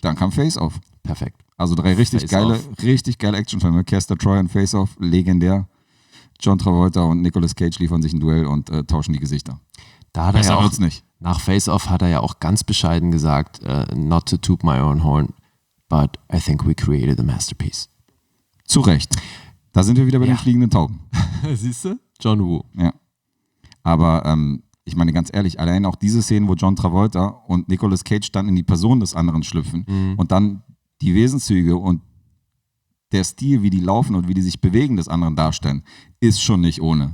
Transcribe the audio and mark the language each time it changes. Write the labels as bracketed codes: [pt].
[de] Dann kam Face Off. Perfekt. Also drei richtig geile Actionfilme. Caster Troy und Face Off. Legendär. John Travolta und Nicolas Cage liefern sich ein Duell und tauschen die Gesichter. Da hat er ja auch, nicht. Nach Face Off hat er ja auch ganz bescheiden gesagt, [en] not to toot my own horn. But I think we created a masterpiece. [de] Zu Recht. Da sind wir wieder bei den fliegenden Tauben. Siehst du? John Woo. Ja. Aber Ich meine ganz ehrlich, allein auch diese Szenen, wo John Travolta und Nicolas Cage dann in die Person des anderen schlüpfen und dann die Wesenszüge und der Stil, wie die laufen und wie die sich bewegen, des anderen darstellen, ist schon nicht ohne.